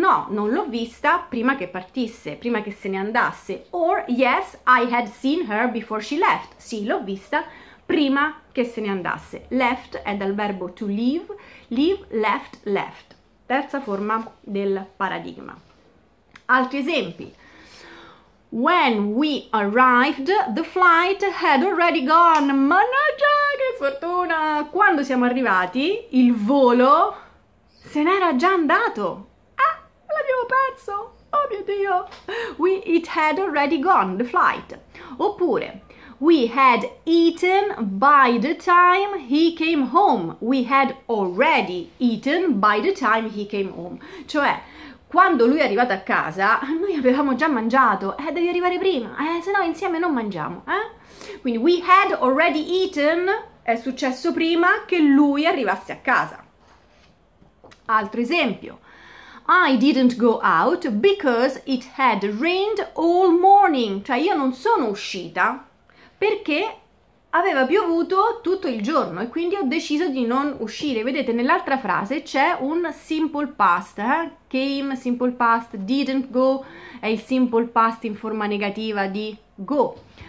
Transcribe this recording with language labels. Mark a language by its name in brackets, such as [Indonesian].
[Italian] No, non l'ho vista prima che partisse, prima che se ne andasse. [English] Or, yes, I had seen her before she left. [Italian] Sì, l'ho vista prima che se ne andasse. Left è dal verbo to leave, leave, left, left. Terza forma del paradigma. Altri esempi. [English] When we arrived, the flight had already gone. [Italian] Mannaggia, che fortuna! Quando siamo arrivati, il volo se n'era già andato. Ah, l'abbiamo perso! Oh mio Dio! [English] It had already gone, the flight. Oppure, we had eaten by the time he came home. We had already eaten by the time he came home. [Italian] Cioè, quando lui è arrivato a casa, noi avevamo già mangiato. Devi arrivare prima, sennò insieme non mangiamo. Quindi, [English] we had already eaten [Italian] è successo prima che lui arrivasse a casa. Altro esempio. [English] I didn't go out because it had rained all morning. [Italian] Cioè, io non sono uscita perché aveva piovuto tutto il giorno e quindi ho deciso di non uscire. Vedete, nell'altra frase c'è un simple past, came, simple past, didn't go, è il simple past in forma negativa di go.